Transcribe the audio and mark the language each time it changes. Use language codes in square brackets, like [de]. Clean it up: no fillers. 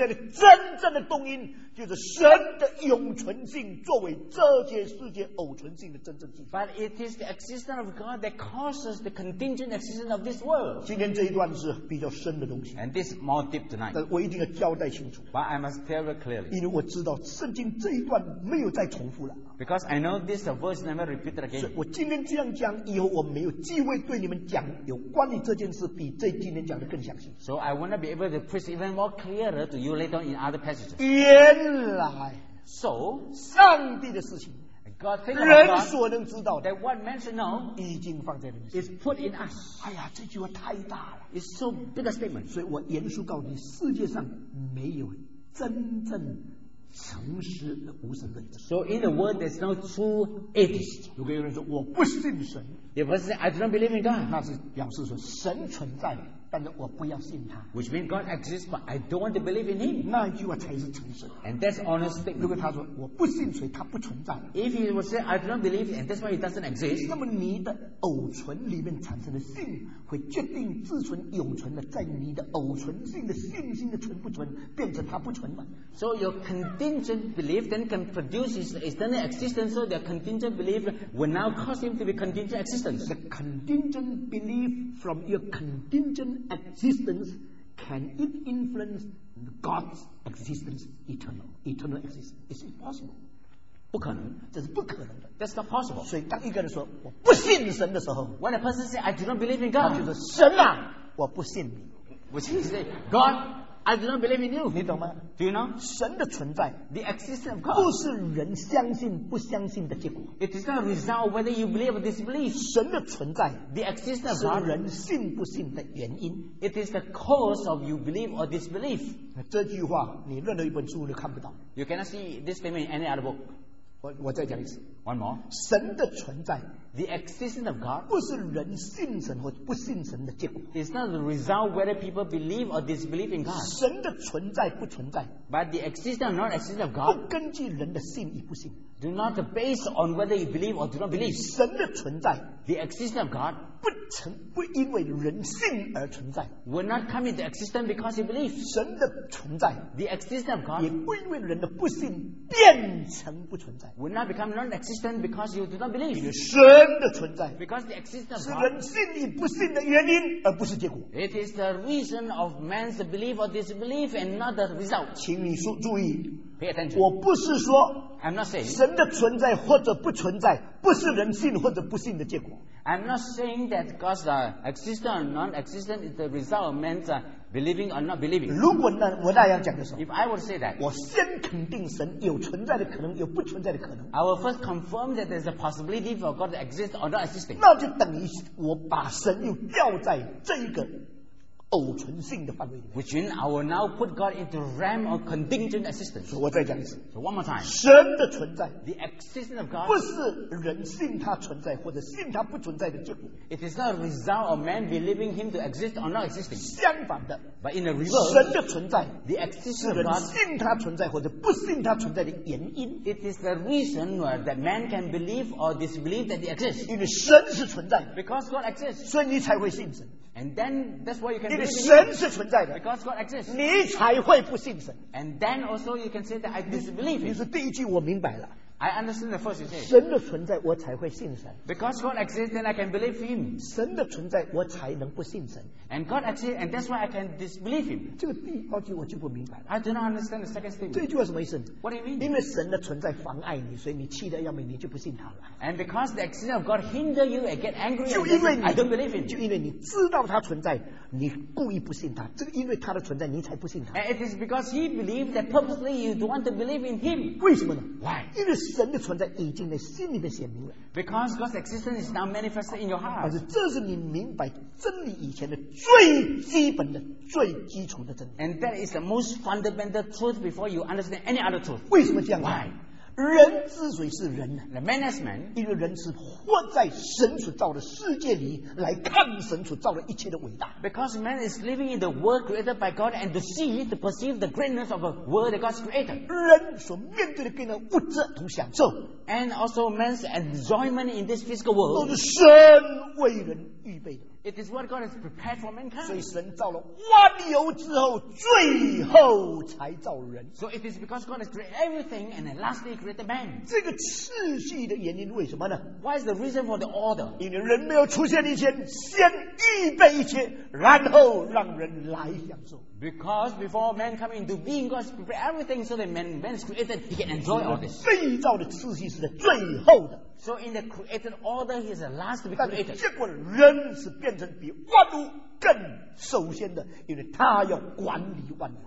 [zh] 使整个宇宙继续永远存在的真正的动因， 就是神的永存性作为这些世界偶存性的真正基础。 [en] But it is the existence of God that causes the contingent existence of this world. [zh] 今天这一段是比较深的东西。 [en] And this is more deep tonight. [zh] 但我一定要交代清楚。 [en] But I must tell it clearly. [zh] 因为我知道圣经这一段没有再重复了。 [en] Because I know this verse never repeated again. [zh] 我今天这样讲， 以后我没有机会对你们讲有关于这件事比这今天讲的更详细。 [en] So I will not be able to preach even more clearer to you later on in other passages. [zh] 原来，so 上帝的事情， [en] God, [zh] 人所能知道的， [en] that what men should know, [zh] 已经放在里面， [en] is put in us. [zh] 哎呀，这句话太大了， [en] it's so big a statement. [zh] 所以我严肃告诉你， 世界上没有真正诚实无神论者。 [en] So in the world, there's no true atheist. [zh] 如果有人说， 我不信神， [en] if I say, I do not believe in God, [zh] 那是表示说神存在， 但是我不要信他， [en] which means God exists, but I don't want to believe in him. [zh] 那句话才是诚实。 [en] And that's honest thing. [zh] 如果他说， 我不信谁，他不存在。 [en] If he would say, I do not believe, and that's why he doesn't exist. [zh] 那么你的偶存里面产生的信， 会决定自存永存的， 在你的偶存性的信心的存不存， 变成他不存吗？ [en] So your contingent belief then can produce his eternal existence, so the contingent belief will now cause him to be contingent existence. The contingent belief from your contingent existence, can it influence God's existence eternal? Eternal existence is impossible. [zh] 不可能，这是不可能的。 [en] That's not possible. [zh] 所以当一个人说我不信神的时候 [en] ，When a person says I do not believe in God， [zh] 他就是神啊，我不信你。 [en] Which he say God， I do not believe in you。 [zh] 你懂吗 [en] ？Do you know？ [zh] 神的存在 [en] ，The existence of God， [zh] 不是人相信不相信的结果。 [en] It is not a result whether you believe or disbelieve。 [zh] 神的存在 [en] ，The existence of God， [zh] 是人信不信的原因。 [en] It is the cause of you believe or disbelieve。 [zh] 这句话你任何一本书都看不到。 [en] You cannot see this statement in any other book。 [zh] 我再讲一次 [en] ，One more， [zh] 神的存在 [en] ，The existence of God， [zh] 不是人信神或不信神的结果 [en] ，It's not the result whether people believe or disbelieve in God。 [zh] 神的存在不存在 [en] ，But the existence or not existence of God， [zh] 不根据人的信与不信 [en] ，Do not base on whether you believe or do not believe。 [zh] 神的存在 [en] ，The existence of God， [zh] 不因为人信而存在 [en] ，Will not come into existence because you believe。 [zh] 神的存在 [en] ，The existence of God， [zh] 也不因为人的不信变成不存在。 [en] Will not become non-existent because you do not believe. [zh] 因为神的存在 [en] because the existence of God [zh] 是人信与不信的原因，而不是结果。 [en] It is the reason of man's belief or disbelief and not the result. [zh] 请你注意 [en] pay attention. [zh] 我不是说 [en] I'm not saying [zh] 神的存在或者不存在不是人信或者不信的结果。 [en] I'm not saying that God's existence or non-existent is the result of man's believing or not believing. [zh] 如果那我那样讲的时候 [en] ，If I would say that， [zh] 我先肯定神有存在的可能，有不存在的可能。 [en] I will first confirm that there's a possibility for God to exist or not existing. [zh] 那就等于我把神又掉在这一个偶存性的范围里面。 [en] Which means I will now put God into realm of contingent existence. [zh] 所以我再讲一次 [en] ，So one more time， [zh] 神的存在 [en] ，The existence of God， [zh] 不是人信他存在或者信他不存在的结果。 [en] It is not a result of man believing him to exist or not existing. [zh] 相反的 [en] ，But in the reverse， [zh] 神的存在 [en] ，The existence of God， [zh] 是人信他存在或者不信他存在的原因。 [en] It is the reason that man can believe or disbelieve that he exists. [zh] 因为神是存在 [en] ，Because God exists， [zh] 所以你才会信神。 [en] And then that's why you can. [zh] 因为神是存在的 [en] ，because God exists， [zh] 你才会不信神。 [en] And then also you can say that I disbelieve it. [zh] 你是第一句我明白了。 [en] I understand the first you say. [zh] 神的存在，我才会信神。 [en] Because God exists, then I can believe Him. [zh] 神的存在，我才能不信神。 [en] And God exists, and that's why I can disbelieve Him. [zh] 这个第二句我就不明白了。 [en] I do not understand the second statement. [zh] 这句话什么意思 [en] ？What do you mean? [zh] 因为神的存在妨碍你，所以你气得要命，你就不信他了。 [en] And because the existence of God hinder you and get angry, [zh] 就因为你 [en] I don't believe Him. [zh] 就因为你知道他存在，你故意不信他。这个因为他的存在，你才不信他。 [en] And it is because He believes that purposely you don't want to believe in Him. [zh] 为什么呢 [en] ？Why? [zh] 因为神的存在已经在心里面显明了 [en] ，because God's existence is now manifested in your heart。 [zh] 而且这是你明白真理以前的最基本的、最基础的真理。 [en] And that is the most fundamental truth before you understand any other truth。 [zh] 为什么这样 [en] ？Why？ [zh] 人之所以是人 [en] ，the man is man， [zh] 因为人是活在神所造的世界里来看神所造的一切的伟大。 [en] Because man is living in the world created by God and to see, to perceive the greatness of a world that God's created。 [zh] 人所面对的跟人物质同享受 [en] ，and also man's enjoyment in this physical world， [zh] 都是神为人预备的。 [en] It is what God has prepared for mankind. [zh] 所以神造了万有之后，最后才造人。 [en] So it is because God has created everything and then lastly created man. [zh] 这个次序的原因为什么呢 [en] ？Why is the reason for the order? [zh] 因为人没有出现以前，先预备一切，然后让人来享受。 [en] Because before man come into being, God has prepared everything so that man is created, he can enjoy all this. [zh] 被造的次序是最后的。 [en] So in the created order, he is the last to be created. [zh] 但结果人是变成比万物更首先的，因为他要管理万物。